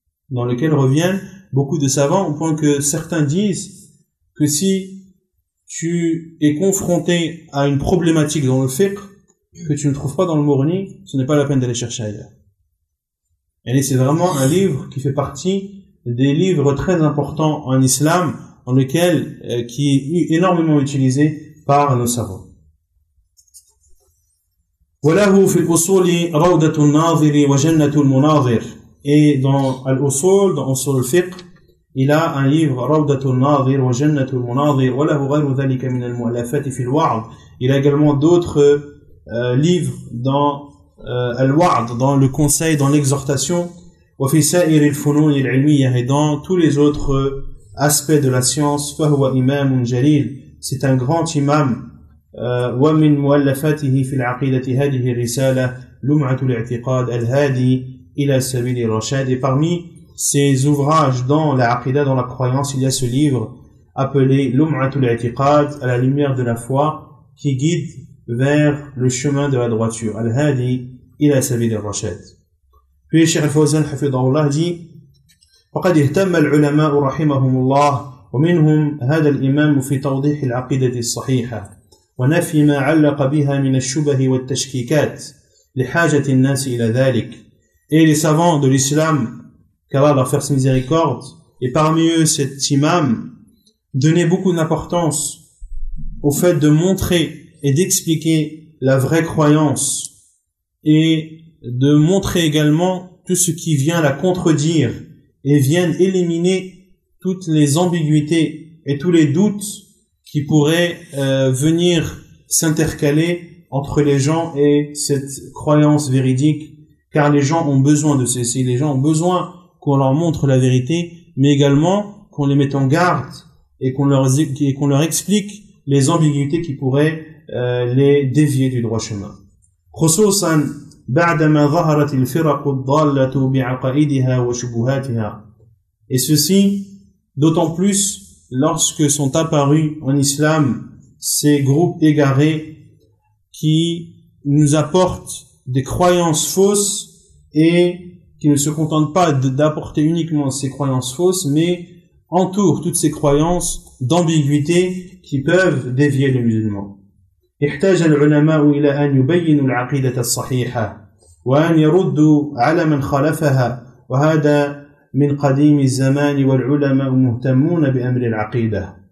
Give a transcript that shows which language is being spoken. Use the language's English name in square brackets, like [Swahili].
[French] Dans lequel reviennent beaucoup de savants, au point que certains disent que si tu es confronté à une problématique dans le fiqh, que tu ne trouves pas dans le Mughni, ce n'est pas la peine d'aller chercher ailleurs. Et c'est vraiment un livre qui fait partie des livres très importants en islam, en lequel, qui est énormément utilisé par nos savants. [Arabic] وله في الأصول روضة الناظر وجنة المناظر. [French] Et dans الأصول, dans أصول الفقه, il a un livre روضة الناظر وجنة المناظر. [Arabic] وله غير ذلك من المؤلفات في الوعظ. [French] Il a également d'autres livres dans الوعظ, dans le conseil, dans l'exhortation. [Arabic] وفي سائر الفنون العلمية, [French] et dans tous les autres aspects de la science. [Arabic] فهو إمام جليل. [French] C'est un grand imam. [Arabic] ومن مؤلفاته في العقيدة هذه الرسالة لمعة الاعتقاد الهادي إلى سبيل الرشاد. [French] Et parmi ses ouvrages dans la aqida, dans la croyance, il y a ce livre appelé لمعة الاعتقاد, à la lumière de la foi, qui guide vers le chemin de la droiture, الهادي إلى سبيل الرشاد. Puis Cheikh Fawzan حفظه الله dit: [Arabic] وقد اهتم العلماء رحمهم الله ومنهم هذا الإمام في توضيح العقيدة الصحيحة ونفي ما علق بها من الشبه والتشكيكات لحاجة الناس إلى ذلك. [French] Et les savants de l'islam, qu'Allah leur fasse miséricorde, et parmi eux cet imam, donnait beaucoup d'importance au fait de montrer et d'expliquer la vraie croyance, et de montrer également tout ce qui vient la contredire et vient éliminer toutes les ambiguïtés et tous les doutes qui pourrait venir s'intercaler entre les gens et cette croyance véridique, car les gens ont besoin de ceci, les gens ont besoin qu'on leur montre la vérité, mais également qu'on les mette en garde et qu'on leur explique les ambiguïtés qui pourraient les dévier du droit chemin. [Arabic] خصوصا بعدما ظهرت الفرق الضالة بعقائدها وشبهاتها. [French] Et ceci d'autant plus lorsque sont apparus en islam ces groupes égarés qui nous apportent des croyances fausses et qui ne se contentent pas d'apporter uniquement ces croyances fausses, mais entourent toutes ces croyances d'ambiguïté qui peuvent dévier le musulman. [Arabic] احتاج العلماء إلى أن يبينوا العقيدة الصحيحة وأن يردوا على من خالفها وهذا من قديم الزمان والعلماء مهتمون بأمر العقيدة.